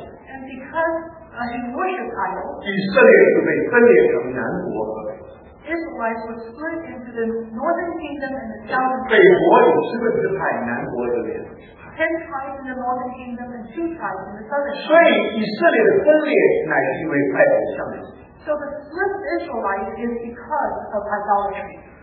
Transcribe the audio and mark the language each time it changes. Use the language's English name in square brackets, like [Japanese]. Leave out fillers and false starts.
[English] And because he worshipped idols, [Chinese] 以色列就被分裂成南国和北。Israelites [English] were split into the northern kingdom and the southern kingdom. [Chinese] 北国有十个支派，南国有两个支派。10 [English] tribes in the northern kingdom and 2 tribes in the southern kingdom. [Chinese] 所以以色列的分裂乃是因为拜偶像。 [English] So the split Israelite is because of idolatry.